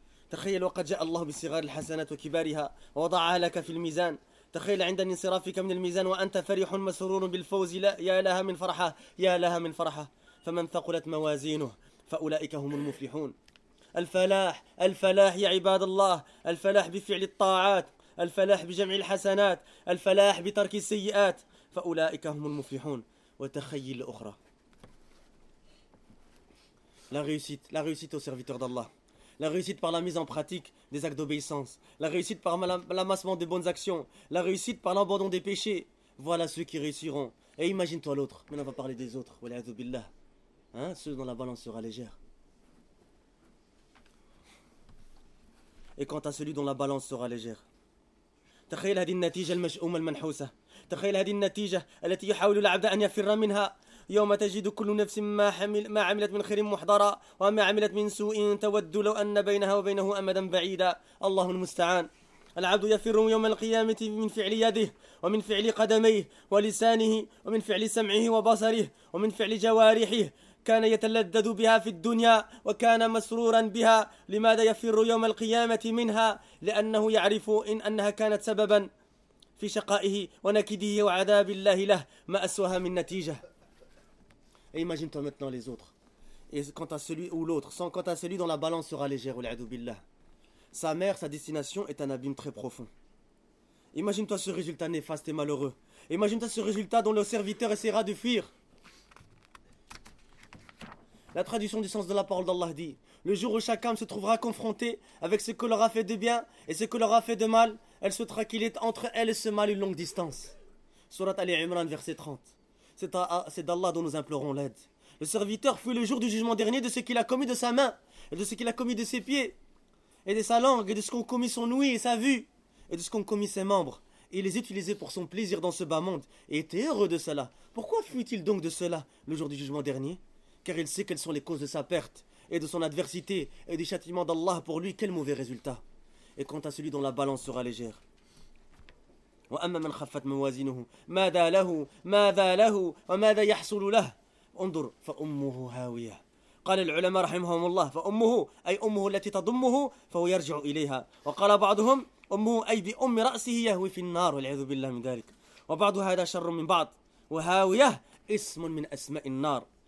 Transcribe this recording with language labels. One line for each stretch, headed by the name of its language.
Arabic: تخيل وقد جاء الله بصغار الحسنات وكبارها ووضعها لك في الميزان تخيل عند انصرافك من الميزان وأنت فرح مسرور بالفوز لا يا لها من فرحة يا لها من فرحة فمن ثقلت موازينه فأولئك هم المفلحون الفلاح الفلاح يا عباد الله الفلاح بفعل الطاعات الفلاح بجمع الحسنات الفلاح بترك السيئات فأولئك هم المفلحون وتخيل أخرى
French: la réussite aux serviteurs d'Allah. La réussite par la mise en pratique des actes d'obéissance. La réussite par l'amassement des bonnes actions. La réussite par l'abandon des péchés. Voilà ceux qui réussiront. Et imagine-toi l'autre. Maintenant, on va parler des autres. Wal'iyadhu billah. Hein? Ceux dont la balance sera légère. Et quant à celui dont la balance sera légère.
Arabic: Takhayyal hadhihi an-natija al-mash'um al-manhousa. Takhayyal hadhihi an-natija allati yahawilu al-'abdu an yafirra minha. يوم تجد كل نفس ما عملت من خير محضرا وما عملت من سوء تود لو أن بينها وبينه أمدا بعيدا الله المستعان العبد يفر يوم القيامة من فعل يده ومن فعل قدميه ولسانه ومن فعل سمعه وبصره ومن فعل جوارحه كان يتلذذ بها في الدنيا وكان مسرورا بها لماذا يفر يوم القيامة منها لأنه يعرف إن أنها كانت سببا في شقائه ونكده وعذاب الله له ما أسوها من نتيجة.
French: Et imagine-toi maintenant les autres. Et quant à celui ou l'autre, sans quant à celui dont la balance sera légère, ul'adou billah. Sa mère, sa destination est un abîme très profond. Imagine-toi ce résultat néfaste et malheureux. Imagine-toi ce résultat dont le serviteur essaiera de fuir. La traduction du sens de la parole d'Allah dit, le jour où chaque âme se trouvera confrontée avec ce qu'elle aura fait de bien et ce qu'elle aura fait de mal, elle souhaitera qu'il ait entre elle et ce mal une longue distance. Sourate Ali Imran, verset 30. C'est d'Allah dont nous implorons l'aide. Le serviteur fuit le jour du jugement dernier de ce qu'il a commis de sa main, et de ce qu'il a commis de ses pieds, et de sa langue, et de ce qu'ont commis son ouïe et sa vue, et de ce qu'ont commis ses membres. Et il les utilisait pour son plaisir dans ce bas monde, et était heureux de cela. Pourquoi fuit-il donc de cela le jour du jugement dernier? Car il sait quelles sont les causes de sa perte, et de son adversité, et du châtiment d'Allah pour lui, quel mauvais résultat. Et quant à celui dont la balance sera légère,
Arabic: وأما من خفت موازينه ماذا له ماذا له وماذا يحصل له انظر فأمه هاوية قال العلماء رحمهم الله فأمه أي أمه التي تضمه فهو يرجع إليها وقال بعضهم أمه أي بأم رأسه يهوي في النار والعياذ بالله من ذلك وبعض هذا شر من بعض وهاوية اسم من أسماء النار